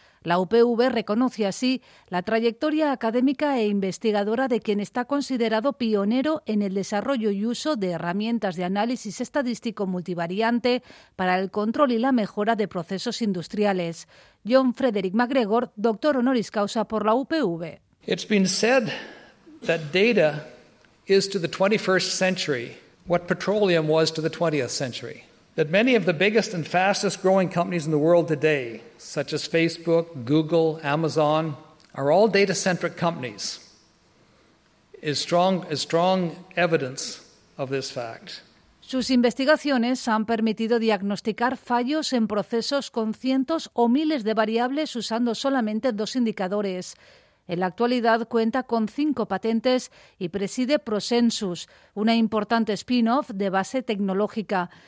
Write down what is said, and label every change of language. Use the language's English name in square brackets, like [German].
[Spanish] La UPV reconoce así la trayectoria académica e investigadora de quien está considerado pionero en el desarrollo y uso de herramientas de análisis estadístico multivariante para el control y la mejora de procesos industriales. John Frederick McGregor, doctor honoris causa por la UPV. [English] It's been said that data is to the 21st century what petroleum was to the 20th century. That many of the biggest and fastest growing companies in the world today, such as Facebook, Google, Amazon, are all data-centric companies, is strong evidence of this fact. [Spanish] Sus investigaciones han permitido diagnosticar fallos en procesos con cientos o miles de variables usando solamente dos indicadores. En la actualidad cuenta con 5 patentes y preside ProSensus, una importante spin-off de base tecnológica.